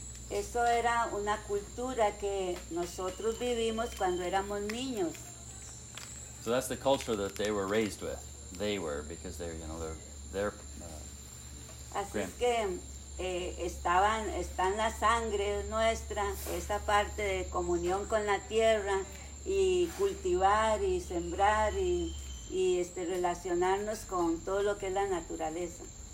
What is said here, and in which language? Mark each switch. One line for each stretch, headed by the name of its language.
Spanish: Eso era una cultura que nosotros vivimos cuando éramos niños.
English: So that's the culture that they were raised with. They were, because they're, you know, they're
Spanish: Así es que está en la sangre nuestra, esa parte de comunión con la tierra y cultivar y sembrar y relacionarnos con todo lo que es la naturaleza.